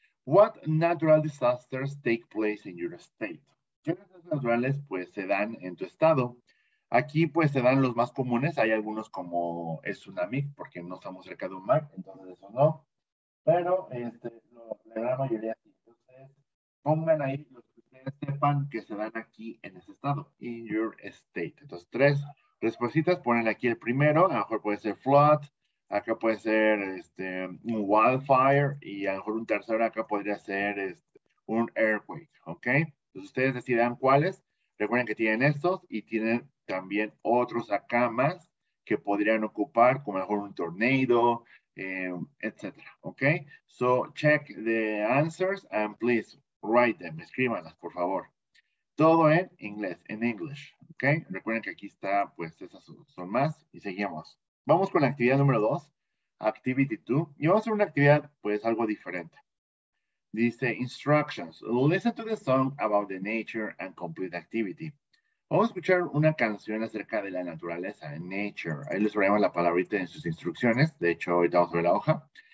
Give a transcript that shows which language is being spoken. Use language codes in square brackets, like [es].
[en] What natural disasters take place in your state? [es] ¿Qué desastres naturales, pues, se dan en tu estado? Aquí pues se dan los más comunes. Hay algunos como el tsunami, porque no estamos cerca de un mar, entonces eso no. Pero la gran mayoría sí. Entonces, pongan ahí los que ustedes sepan que se dan aquí en ese estado, [en] in your state. [es] Entonces, tres respuestas. Ponen aquí el primero. A lo mejor puede ser flood. Acá puede ser un wildfire. Y a lo mejor un tercero acá podría ser un earthquake. ¿Ok? Entonces, ustedes decidan cuáles. Recuerden que tienen estos y tienen también otros acá más que podrían ocupar, como a lo mejor un tornado, etcétera. ¿Ok? [en] So, check the answers and please write them. [es] Escríbanlas, por favor. Todo en inglés, en English. ¿Ok? Recuerden que aquí está, pues, esas son más y seguimos. Vamos con la actividad número 2, Activity 2. Y vamos a hacer una actividad, pues, algo diferente. Dice, instructions. [en] Listen to the song about the nature and complete the activity. [es] Vamos a escuchar una canción acerca de la naturaleza, nature. Ahí les traemos la palabrita en sus instrucciones. De hecho, ahorita vamos a ver la hoja.